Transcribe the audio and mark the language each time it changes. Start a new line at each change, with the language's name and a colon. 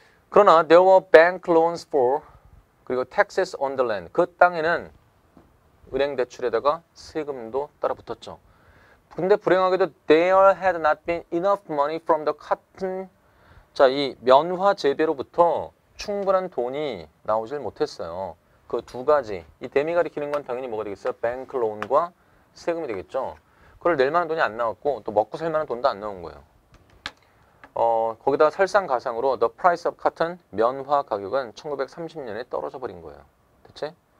Korean: 그러나,
English: there were bank loans for,
Korean: 그리고
English: taxes on the land.
Korean: 그 땅에는 은행 대출에다가 세금도 따라붙었죠. 근데 불행하게도
English: there had not been enough money from the cotton.
Korean: 자, 이 면화 재배로부터 충분한 돈이 나오질 못했어요. 그두 가지. 이 데미 가리키는 건 당연히 뭐가 되겠어요? bank loan과 세금이 되겠죠. 그걸 낼 만한 돈이 안 나왔고, 또 먹고 살 만한 돈도 안 나온 거예요. 거기다 설상가상으로
English: the price of cotton,
Korean: 면화 가격은 1930년에 떨어져 버린 거예요. 대체?